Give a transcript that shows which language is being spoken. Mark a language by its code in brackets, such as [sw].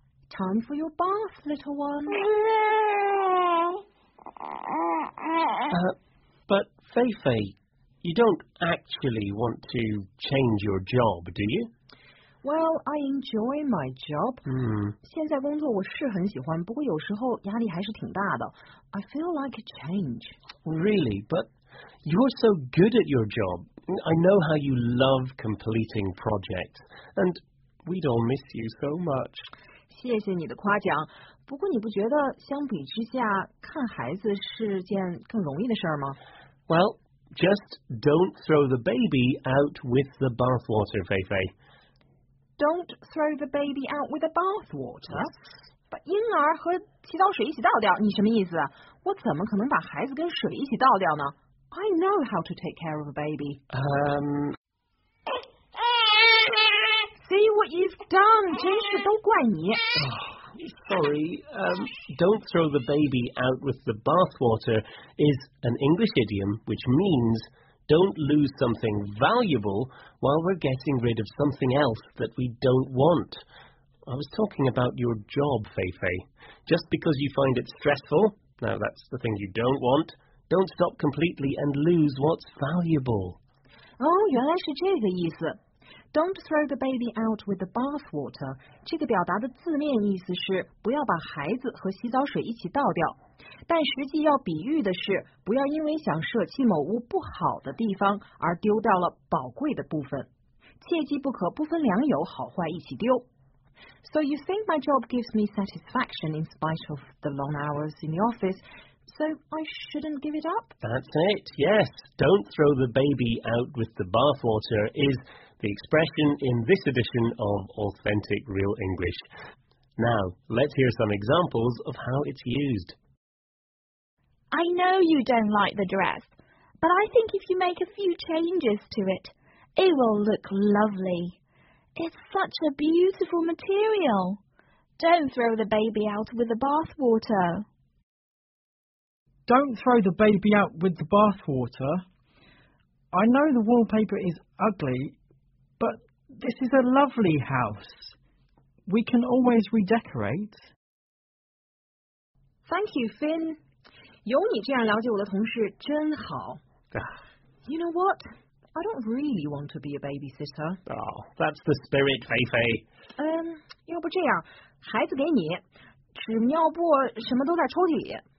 [en] Time for your bath, little one. But, Feifei, you don't actually want to change your job, do you? Well, I enjoy my job. [zh] 现在工作我是很喜欢，不过有时候压力还是挺大的。 [en] I feel like a change. Really? But you're so good at your job. I know how you love completing projects, and we'd all miss you so much. [zh] 谢谢你的夸奖，不过你不觉得相比之下，看孩子是件更容易的事儿吗？ [en] Well, just don't throw the baby out with the bathwater, Feifei. Don't throw the baby out with the bathwater? [zh] 把婴儿和洗澡水一起倒掉，你什么意思？我怎么可能把孩子跟水一起倒掉呢？ [en] I know how to take care of a baby. See what you've done. [zh] 真是都怪你。 [en] Sorry, don't throw the baby out with the bathwater is an English idiom which means don't lose something valuable while we're getting rid of something else that we don't want. I was talking about your job, Feifei. Just because you find it stressful, now that's the thing you don't want,Don't stop completely and lose what's valuable. [zh] Oh, 原来是这个意思。 [en] Don't throw the baby out with the bathwater. [zh] 这个表达的字面意思是不要把孩子和洗澡水一起倒掉。但实际要比喻的是不要因为想舍弃某物不好的地方而丢掉了宝贵的部分。切记不可不分良友好坏一起丢。 [en] So you think my job gives me satisfaction in spite of the long hours in the office? So I shouldn't give it up? That's it, yes. Don't throw the baby out with the bathwater is the expression in this edition of Authentic Real English. Now, let's hear some examples of how it's used. I know you don't like the dress, but I think if you make a few changes to it, it will look lovely. It's such a beautiful material. Don't throw the baby out with the bathwater. Don't throw the baby out with the bathwater. I know the wallpaper is ugly, but this is a lovely house. We can always redecorate. Thank you, Finn. [zh] 有你这样了解我的同事真好。 [en] You know what? I don't really want to be a babysitter. Oh, that's the spirit, Feifei. [zh] 要不这样，孩子给你，纸尿布什么都在抽屉里。